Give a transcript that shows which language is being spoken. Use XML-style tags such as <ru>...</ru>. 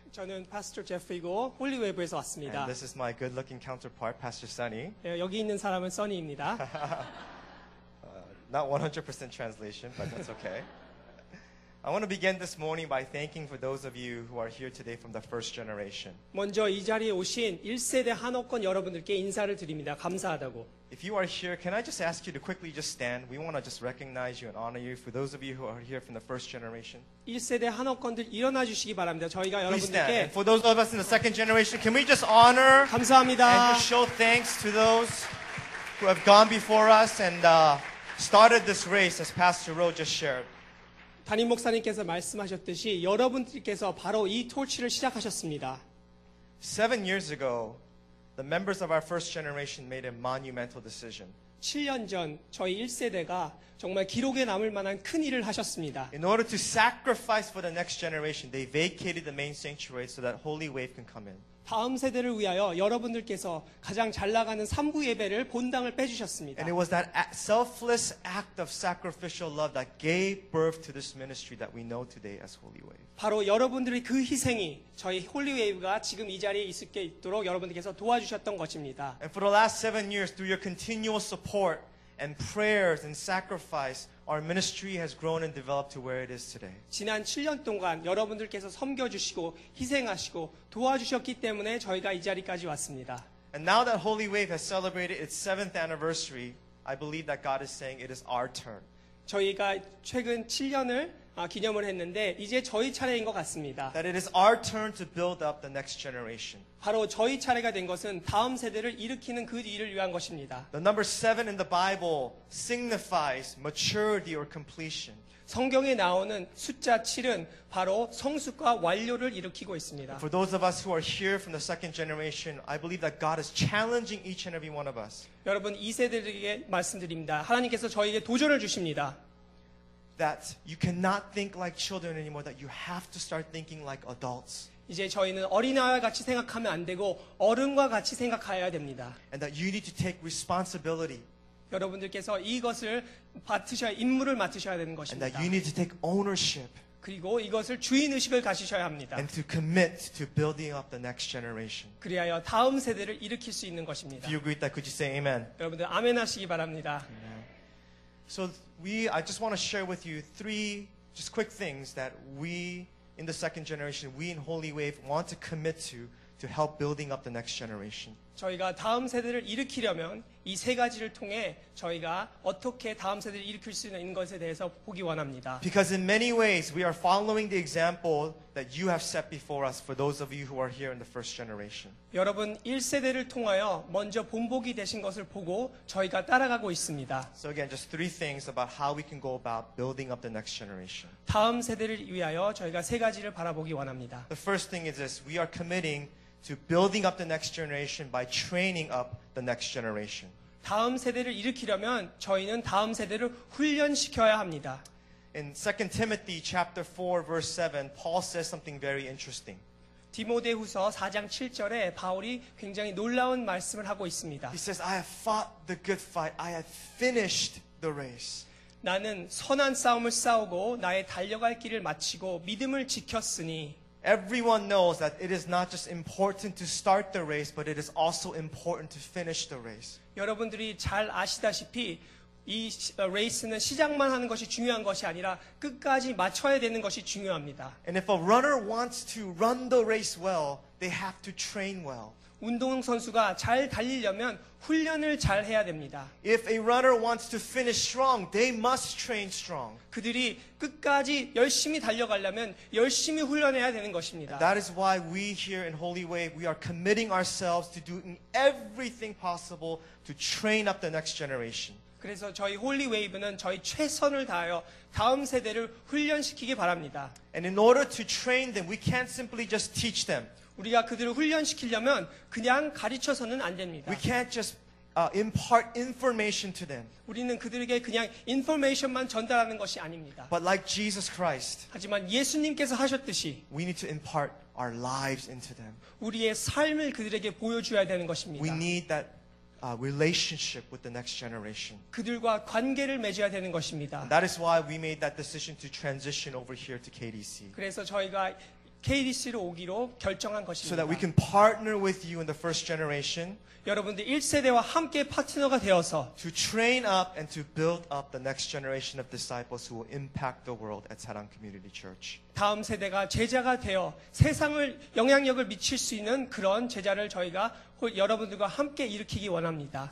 <ko>저는 Pastor Jeff이고 Holy Wave에서 왔습니다.</ko> <en>And this is my good-looking counterpart, Pastor Sunny.</en> <ko>여기 있는 사람은 Sunny입니다.</ko> <en>Not 100% translation, but that's okay. I want to begin this morning by thanking for those of you who are here today from the first generation.</en> <ko>먼저 이 자리에 오신 1세대 한옥권 여러분들께 인사를 드립니다. 감사하다고.</ko> <en>If you are here, can I just ask you to quickly just stand? We want to just recognize you and honor you. For those of you who are here from the first generation.</en> <ko>1세대 한옥권들 일어나 주시기 바랍니다. 저희가 여러분들께.</ko> <en>And for those of us in the second generation, can we just honor</en> <ko>감사합니다.</ko> <en>And just show thanks to those who have gone before us and started this race as Pastor Roe just shared.</en> <ko>담임 목사님께서 말씀하셨듯이 여러분들께서 바로 이 토치를 시작하셨습니다.</ko> <en>7 years ago, the members of our first generation made a monumental decision.</en> <ko>7년 전 저희 1세대가 정말 기록에 남을 만한 큰 일을 하셨습니다.</ko> <en>In order to sacrifice for the next generation, they vacated the main sanctuary so that Holy Wave can come in.</en> <ko>다음 세대를 위하여 여러분들께서 가장 잘 나가는 3부 예배를 본당을 빼주셨습니다.</ko> <en>And it was that selfless act of sacrificial love that gave birth to this ministry that we know today as Holy Wave.</en> <ko>바로 여러분들의 그 희생이 저희 Holy Wave가 지금 이 자리에 있을 게 있도록 여러분들께서 도와주셨던 것입니다.</ko> <en>And for the last 7 years, through your continual support and prayers and sacrifice, our ministry has grown and developed to where it is today.</en> <ko>지난 7년 동안 여러분들께서 섬겨주시고 희생하시고 도와주셨기 때문에 저희가 이 자리까지 왔습니다.</ko> <en>And now that Holy Wave has celebrated its 7th anniversary, I believe that God is saying it is our turn.</en> <ko>저희가 최근 7년을 기념을 했는데 이제 저희 차례인 것 같습니다.</ko> <en>That it is our turn to build up the next generation.</en> <ko>바로 저희 차례가 된 것은 다음 세대를 일으키는 그 일을 위한 것입니다.</ko> <en>The number 7 in the Bible signifies maturity or completion.</en> <ko>성경에 나오는 숫자 7은 바로 성숙과 완료를 일으키고 있습니다.</ko> <en>For those of us who are here from the second generation, I believe that God is challenging each and every one of us.</en> <ko>여러분 이 세대들에게 말씀드립니다. 하나님께서 저희에게 도전을 주십니다.</ko> <en>That you cannot think like children anymore, that you have to start thinking like adults.</en> <ko>이제 저희는 어린아이와 같이 생각하면 안 되고 어른과 같이 생각해야 됩니다.</ko> <en>And that you need to take responsibility.</en> <ko>여러분들께서 이것을 맡으셔야 임무를 맡으셔야 되는 것입니다.</ko> <en>And that you need to take ownership.</en> <ko>그리고 이것을 주인 의식을 가지셔야 합니다.</ko> <en>And to commit to building up the next generation.</en> <ko>그리하여 다음 세대를 일으킬 수 있는 것입니다.</ko> <en>If you agree with that, could you say amen?</en> <ko>여러분들 아멘 하시기 바랍니다.</ko> <en>So I just want to share with you three just quick things that we in the second generation, we in Holy Wave want to commit to help building up the next generation.</en> <ko>저희가 다음 세대를 일으키려면 이 세 가지를 통해 저희가 어떻게 다음 세대를 일으킬 수 있는 것에 대해서 보기 원합니다.</ko> <en>Because in many ways we are following the example that you have set before us for those of you who are here in the first generation.</en> <ko>여러분 1세대를 통하여 먼저 본보기 되신 것을 보고 저희가 따라가고 있습니다.</ko> <en>So again, just three things about how we can go about building up the next generation.</en> <ko>다음 세대를 위하여 저희가 세 가지를 바라보기 원합니다.</ko> <en>The first thing is this, we are committing to building up the next generation by training up the next generation.</en> <ko>다음 세대를 일으키려면 저희는 다음 세대를 훈련시켜야 합니다.</ko> <en>In 2 Timothy chapter 4 verse 7, Paul says something very interesting.</en> <ko>디모데후서 4장 7절에 바울이 굉장히 놀라운 말씀을 하고 있습니다.</ko> <en>He says, I have fought the good fight. I have finished the race.</en> <ko>나는 선한 싸움을 싸우고 나의 달려갈 길을 마치고 믿음을 지켰으니.</ko> <en>Everyone knows that it is not just important to start the race, but it is also important to finish the race.</en> <ko>여러분들이 잘 아시다시피 이 레이스는 시작만 하는 것이 중요한 것이 아니라 끝까지 마쳐야 되는 것이 중요합니다.</ko> <en>And if a runner wants to run the race well, they have to train well.</en> <ko>운동 선수가 잘 달리려면 훈련을 잘 해야 됩니다.</ko> <en>If a runner wants to finish strong, they must train strong.</en> <ko>그들이 끝까지 열심히 달려가려면 열심히 훈련해야 되는 것입니다.</ko> <en>That is why we here in Holy Way, we are committing ourselves to doing everything possible to train up the next generation.</en> <ko>그래서 저희 Holy Wave는 저희 최선을 다하여 다음 세대를 훈련시키기 바랍니다.</ko> <en>And in order to train them, we can't simply just teach them.</en> <ko>우리가 그들을 훈련시키려면 그냥 가르쳐서는 안 됩니다.</ko> <en>We can't just impart information to them.</en> <ko>우리는 그들에게 그냥 information만 전달하는 것이 아닙니다.</ko> <en>But like Jesus Christ,</en> <ko>하지만 예수님께서 하셨듯이,</ko> <en>we need to impart our lives into them.</en> <ko>우리의 삶을 그들에게 보여줘야 되는 것입니다.</ko> <en>We need that relationship with the next generation.</en> <ko>그들과 관계를 맺어야 되는 것입니다.</ko> <en>And that is why we made that decision to transition over here to KDC.</en> <ko>그래서 저희가 KDC로 오기로 결정한 것입니다.</ko> <en>So that we can partner with you in the first generation.</en> <ko>여러분들 1세대와 함께 파트너가 되어서</ko> <en>to train up and to build up the next generation of disciples who will impact the world at Sarang Community Church.</en> <ko>다음 세대가 제자가 되어 세상을 영향력을 미칠 수 있는 그런 제자를 저희가 여러분들과 함께 일으키기 원합니다.</ko>